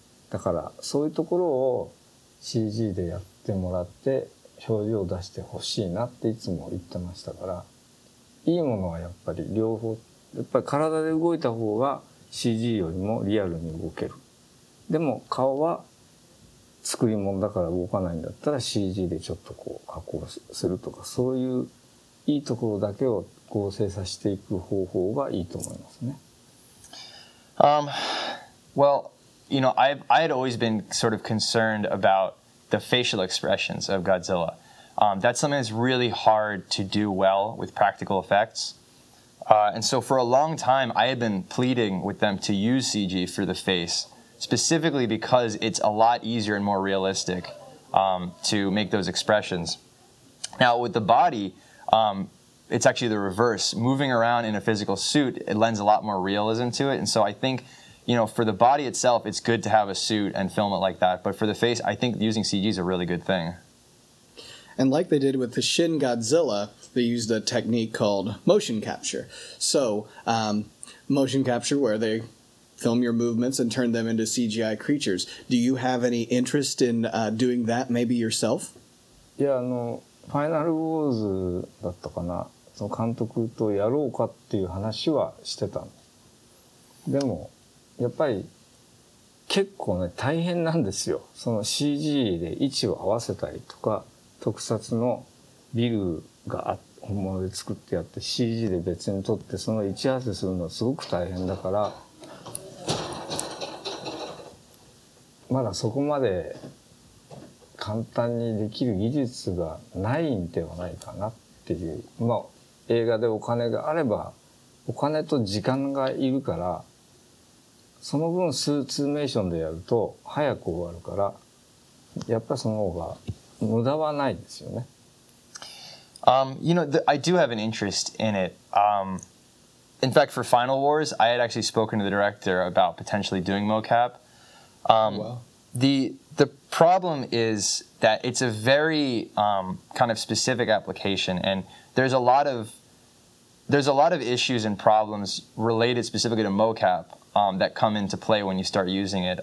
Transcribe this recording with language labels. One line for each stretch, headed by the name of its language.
Japanese: だから、そういうところを CG でやってもらって、表情を出してほしいなっていつも言ってましたから、いいものはやっぱり両方、やっぱり体で動いた方が CG よりもリアルに動ける。でも顔は作り物だから動かないんだったら CG でちょっとこう加工するとか、そういういいところだけを合成させていく方法がいいと思いますね。
English: Well, you know, I had always been sort of concerned about the facial expressions of Godzilla. That's something that's really hard to do well with practical effects. And so for a long time, I had been pleading with them to use CG for the face, specifically because it's a lot easier and more realistic to make those expressions. Now, with the body, it's actually the reverse. Moving around in a physical suit, it lends a lot more realism to it. And so I think, you know, for the body itself, it's good to have a suit and film it like that. But for the face, I think using CG is a really good thing. And like they did with the Shin Godzilla, they used a technique called motion capture. So motion capture where they film your movements and turn them into CGI creatures. Do you have any interest in doing that maybe yourself? Yeah, no,
Japanese: Final Wars だったかな。その監督とやろうかっていう話はしてた。でもやっぱり結構ね、大変なんですよ。その CG で位置を合わせたりとか、特撮のビルが本物で作ってやって CG で別に撮ってその位置合わせするのはすごく大変だから、まだそこまで簡単にできる技術がないんではないかなっていう、まあ映画でお金があれば、お金と時間がいるから、その分スーツメーションでやると早く終わるから、やっぱその方が無駄はないですよね。
English: You know, I do have an interest in it. In fact, for Final Wars, I had actually spoken to the director about potentially doing mocap. The problem is that it's a very kind of specific application, and there's a lot of issues and problems related specifically to mocap that come into play when you start using it.